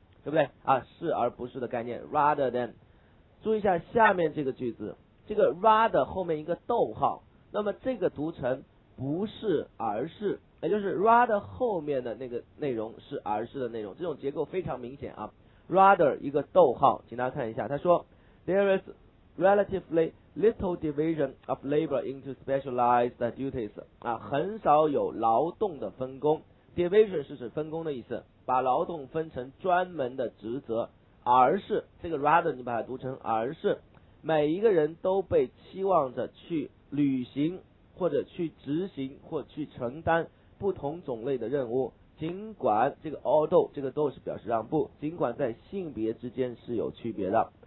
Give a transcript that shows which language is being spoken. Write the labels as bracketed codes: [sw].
[zh] 对不对啊？是而不是的概念 rather than。注意一下下面这个句子，这个 rather 后面一个逗号，那么这个读成不是而是，也就是 rather 后面的那个内容是而是的内容，这种结构非常明显啊。 rather 一个逗号，请大家看一下，他说 [en] there is relatively little division of labor into specialized duties [zh] 啊，很少有劳动的分工。 division 是指分工的意思，把劳动分成专门的职责，而是这个 rather 你把它读成而是，每一个人都被期望着去履行或者去执行或去承担不同种类的任务，尽管这个 although 这个 though 是表示让步，尽管在性别之间是有区别的。